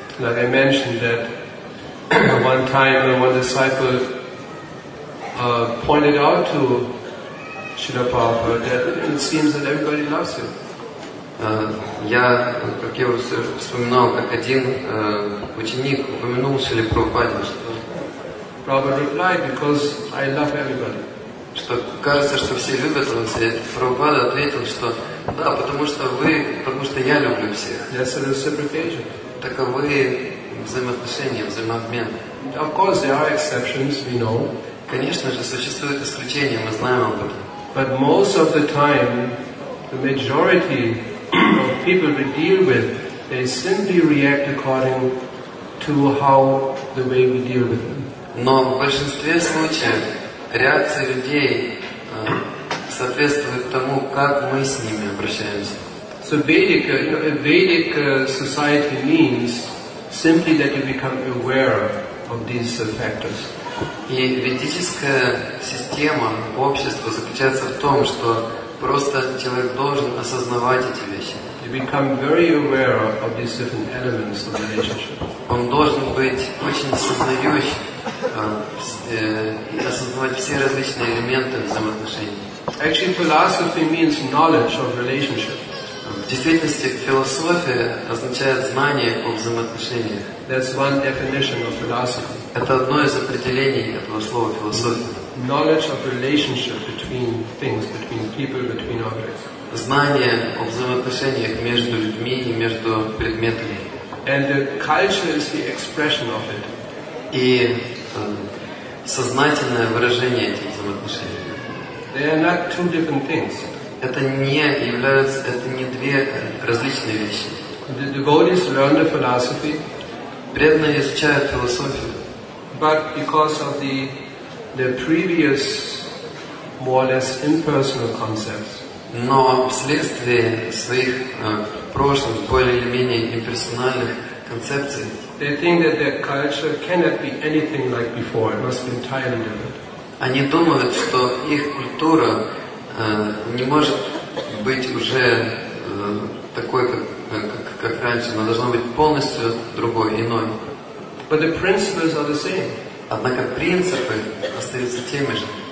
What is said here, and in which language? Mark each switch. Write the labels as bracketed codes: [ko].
[en] Like I mentioned that one time when one disciple pointed out to Srila Prabhupada that it seems that everybody loves him. [ru] Я, как я уже вспоминал, как один ученик упомянул Шри Прабхупаде, что [en] Prabhupada replied, because I love everybody. [ru] Что кажется, что все любят вас, и Прабхупада ответил, что да, потому что я люблю всех. [en] That's a reciprocation. [ru] Таковы взаимоотношения, взаимообмен. [en] Of course, there are exceptions, we know. [ru] Конечно же, существуют исключения, мы знаем об этом. [en] But most of the time, the majority of people we deal with, they simply react according to how the way we deal with them. [ru] Но в большинстве случаев реакция людей соответствует тому, как мы с ними обращаемся. [en] So Vedic, a Vedic society means simply that you become aware of these factors. [ru] И ведическая система общества заключается в том, что просто человек должен осознавать эти вещи. [en] You become very aware of these different elements of the relationship. [ru] Он должен быть очень осознающим. Осознавать все различные элементы взаимоотношений. [en] Actually, philosophy means knowledge of relationship. [ru] В действительности, философия означает знание о взаимоотношениях. [en] That's one definition of philosophy. [ru] Это одно из определений этого слова философия. [en] Knowledge of relationship between things, between people, between objects. [ru] Знание о взаимоотношениях между людьми и между предметами. [en] And the culture is the expression of it. [ru] И сознательное выражение этих взаимоотношений. [en] They are not two different things. [ru] Это не две различные вещи. [en] The devotees learn the philosophy. [ru] Преданные изучают философию. [en] But because of the previous more or less impersonal concepts. [ru] Но вследствие своих прошлых более или менее имперсональных концепций. [en] They think that their culture cannot be anything like before. It must be entirely different. [ru] Они думают, что их культура не может быть уже такой, как раньше. Она должна быть полностью другой, иной. [en] But the principles are the same. [ru] Однако принципы остаются теми же.